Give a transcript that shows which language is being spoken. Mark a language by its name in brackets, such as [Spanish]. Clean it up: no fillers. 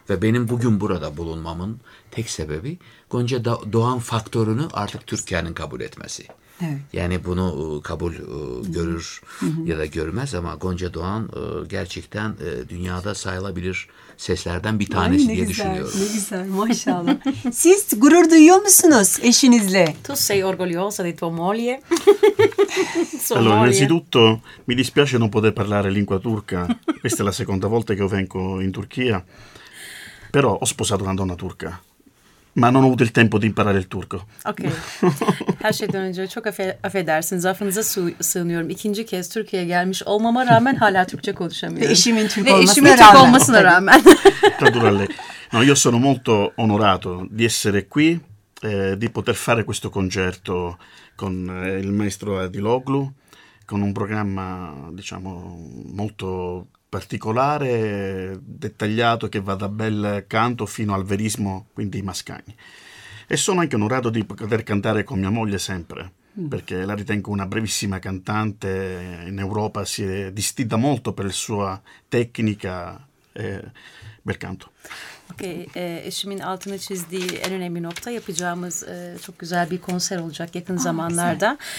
[Turkish] Ve benim bugün burada bulunmamın tek sebebi Gonca Doğan faktörünü artık Türkiye'nin kabul etmesi. Evet. Yani bunu kabul görür ya da görmez ama Gonca Doğan gerçekten dünyada sayılabilir seslerden bir tanesi diye düşünüyorum. Ne güzel, maşallah. Siz gurur duyuyor musunuz eşinizle? [Italian] Tu sei orgogliosa di tua moglie? Allora, innanzitutto mi dispiace non poter parlare lingua turca. Questa è la seconda volta che io vengo in Turchia. Però ho sposato una donna turca. Ma non ho avuto il tempo di imparare il turco. Ok. [Turkish] Her şeyden önce çok affedersiniz. Affınıza sığınıyorum. İkinci kez Türkiye'ye gelmiş olmama rağmen hala Türkçe konuşamıyorum. Ve eşimin Türk olmasına rağmen. [Italian] Naturalmente. No, io sono molto onorato di essere qui, di poter fare questo concerto con il maestro Adiloglu, con un programma, diciamo, molto particolare, dettagliato, che va da bel canto fino al verismo, quindi i Mascagni. E sono anche onorato di poter cantare con mia moglie sempre, perché la ritengo una bravissima cantante. In Europa si è distinta molto per la sua tecnica e bel canto. [Turkish] Okay, eşimin altını çizdiği en önemli nokta, yapacağımız çok güzel bir konser olacak yakın zamanlarda.